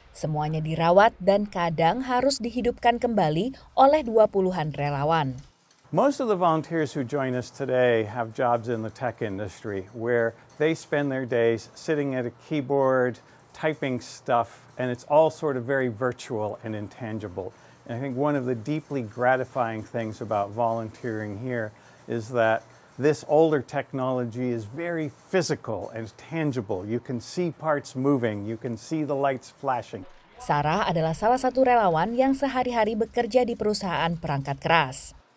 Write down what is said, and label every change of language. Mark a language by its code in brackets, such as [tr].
[id] Semuanya dirawat dan kadang harus dihidupkan kembali oleh 20-an relawan. [en] Most of the volunteers who join us today have jobs in the tech industry where they spend their days sitting at a keyboard, typing stuff, and it's all sort of very virtual and intangible. And I think one of the deeply gratifying things about volunteering here is that this older technology is very physical and tangible. You can see parts moving, you can see the lights flashing. [id] Sarah adalah salah satu relawan yang sehari-hari bekerja di perusahaan perangkat keras.